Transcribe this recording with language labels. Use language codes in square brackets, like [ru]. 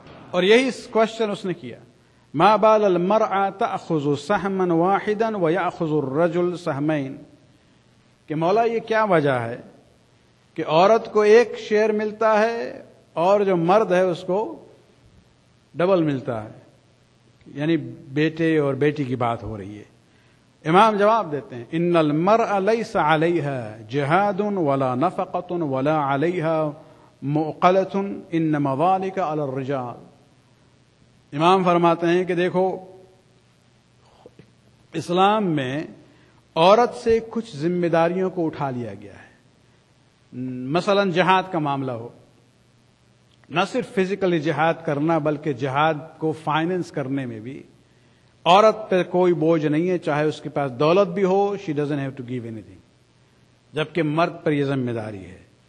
[ur] اور یہی کوشچن اس نے کیا, [ar] ما بال المرأة تأخذ سهما واحدا ويأخذ الرجل سهمين, [ur] کہ مولا یہ کیا وجہ ہے کہ عورت کو ایک شیئر ملتا ہے اور جو مرد ہے اس کو ڈبل ملتا ہے, یعنی بیٹے اور بیٹی کی بات ہو رہی ہے. امام جواب دیتے ہیں, [ar] ان المرأة ليس عليها جهاد ولا نفقة ولا عليها مؤقلة انما ذلك على الرجال. [ur] امام فرماتے ہیں کہ دیکھو اسلام میں عورت سے کچھ ذمہ داریوں کو اٹھا لیا گیا ہے, مثلا جہاد کا معاملہ ہو, نہ صرف فزیکلی جہاد کرنا بلکہ جہاد کو فائنینس کرنے میں بھی عورت پہ کوئی بوجھ نہیں ہے, چاہے اس کے پاس دولت بھی ہو [en] she doesn't have to give anything, [ur] جبکہ مرد پر یہ ذمہ داری ہے.